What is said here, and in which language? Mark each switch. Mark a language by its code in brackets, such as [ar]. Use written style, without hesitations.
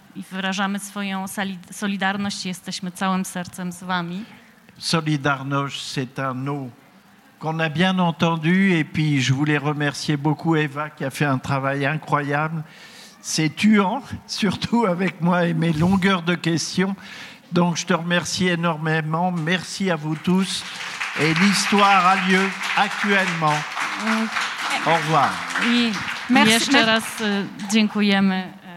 [pl] Wyrażamy swoją solidarność. Jesteśmy całym sercem z wami. [fr] Solidarność, c'est un mot qu'on a bien entendu. Et puis, je voulais remercier beaucoup Eva qui a fait un travail incroyable. C'est tuant, surtout avec moi et mes longueurs de questions. Donc, je te remercie énormément. Merci à vous tous. Et l'histoire a lieu actuellement. Au revoir. [pl] I merci. Jeszcze raz dziękujemy.